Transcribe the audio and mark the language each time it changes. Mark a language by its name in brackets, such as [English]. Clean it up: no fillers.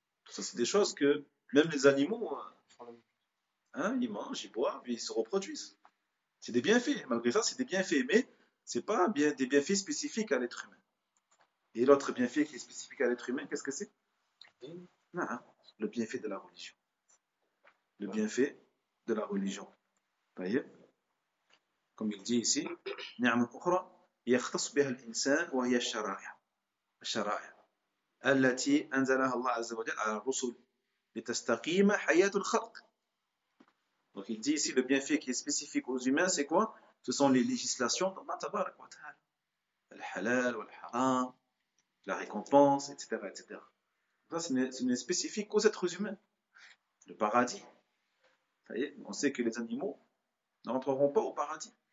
[French] Ça, c'est des choses que même les animaux, hein, ils mangent, ils boivent, ils se reproduisent. C'est des bienfaits. Malgré ça, c'est des bienfaits. Mais ce n'est pas bien, des bienfaits spécifiques à l'être humain. Et l'autre bienfait qui est spécifique à l'être humain, qu'est-ce que c'est? Non, hein, le bienfait de la religion. Le bienfait de la religion. Voyez, comme il dit ici, [Arabic] نعم أخرى يختص بها الإنسان وهي الشرائع. الشرائع التي أنزلها الله عز وجل على الرسل لتستقيم حياة الخلق. [French] Donc il dit ici, le bienfait qui est spécifique aux humains, c'est quoi? Ce sont les législations d'Allah tabarak wa ta'ala. Le halal, le haram, la récompense, etc. etc. Ça, ce n'est spécifique qu'aux êtres humains. Le paradis. Ça y est, on sait que les animaux n'entreront pas au paradis.